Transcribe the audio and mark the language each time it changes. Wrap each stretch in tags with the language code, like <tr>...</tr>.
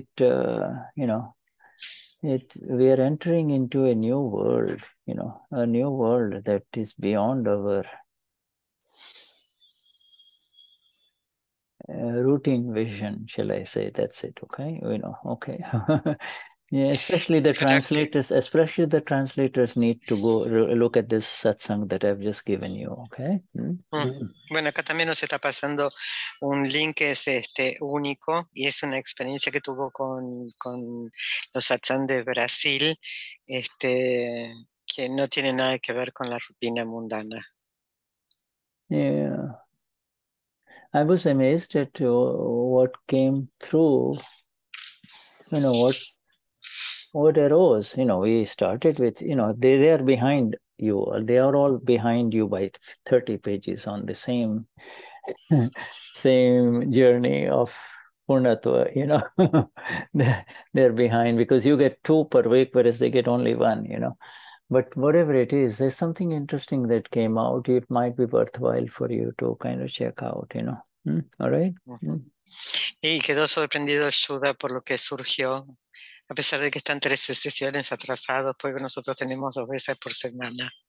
<en>We are entering into a new world, you know, a new world that is beyond our routine vision, shall I say? That's it. Okay, you know. Okay. Yeah, especially the translators. Especially the translators need to go look at this satsang that I've just given you. Okay.</en> <es>Bueno, acá también nos está pasando un link que es único y es una experiencia que tuvo con los satsang de Brasil, que no tiene nada que ver con la rutina mundana.</es> <en>Yeah. I was amazed at what came through, you know, what arose. You know, we started with, you know, they are behind you. They are all behind you by 30 pages on the same journey of Purnatva, you know, they're behind because you get two per week, whereas they get only one, you know. But whatever it is, there's something interesting that came out. It might be worthwhile for you to kind of check out, you know. All right.</en> <es>Y quedó sorprendido Shuddha por lo que surgió, a pesar de que están tres sesiones atrasados, porque nosotros tenemos dos veces por semana.</es>